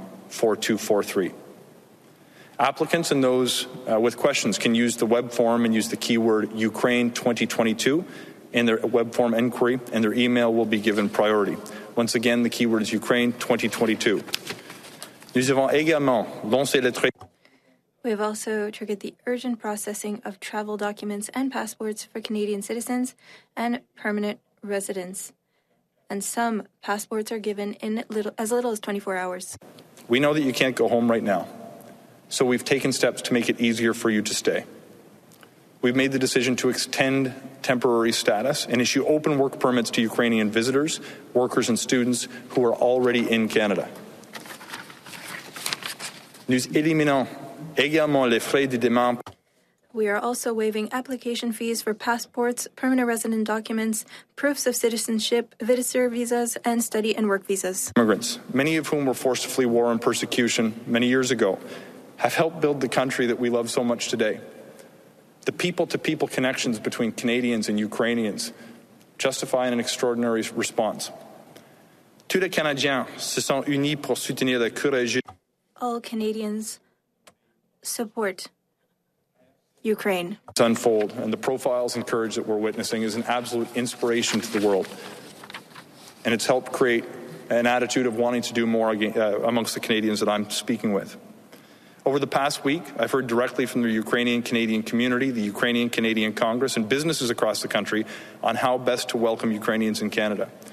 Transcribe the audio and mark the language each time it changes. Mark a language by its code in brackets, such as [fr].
[en] 613-321-4243. Applicants and those with questions can use the web form and use the keyword Ukraine 2022 in their web form inquiry, and their email will be given priority. Once again, the keyword is Ukraine 2022. [fr] Nous avons également lancé le traitement. [en] We have also triggered the urgent processing of travel documents and passports for Canadian citizens and permanent residents. And some passports are given in as little as 24 hours. We know that you can't go home right now, so we've taken steps to make it easier for you to stay. We've made the decision to extend temporary status and issue open work permits to Ukrainian visitors, workers, and students who are already in Canada. [fr] Nous éliminons également les frais de demande. [en] We are also waiving application fees for passports, permanent resident documents, proofs of citizenship, visitor visas, and study and work visas. Immigrants, many of whom were forced to flee war and persecution many years ago, have helped build the country that we love so much today. The people-to-people connections between Canadians and Ukrainians justify an extraordinary response. [fr] Tous les Canadiens se sont unis pour soutenir le courage. [en] All Canadians support Ukraine. It's unfold, and the profiles and courage that we're witnessing is an absolute inspiration to the world. And it's helped create an attitude of wanting to do more amongst the Canadians that I'm speaking with. Over the past week, I've heard directly from the Ukrainian-Canadian community, the Ukrainian-Canadian Congress, and businesses across the country on how best to welcome Ukrainians in Canada.